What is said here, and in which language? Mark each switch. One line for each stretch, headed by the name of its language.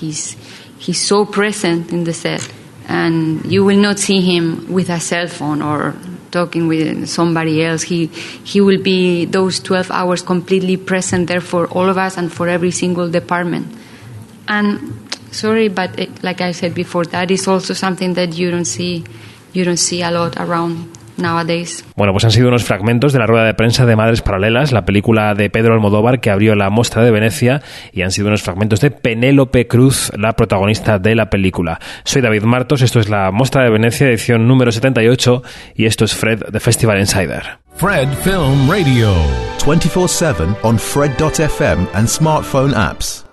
English: He's so present in the set. And you will not see him with a cell phone or talking with somebody else. He will be those 12 hours completely present there for all of us and for every single department. And sorry, but it, like I said before, that is also something that you don't see a lot around nowadays.
Spanish: Bueno, pues han sido unos fragmentos de la rueda de prensa de Madres Paralelas, la película de Pedro Almodóvar que abrió la Mostra de Venecia, y han sido unos fragmentos de Penélope Cruz, la protagonista de la película. Soy David Martos, esto es la Mostra de Venecia, edición número 78, y esto es Fred, de Festival Insider.
English: Fred Film Radio, 24/7 on Fred.fm and smartphone apps.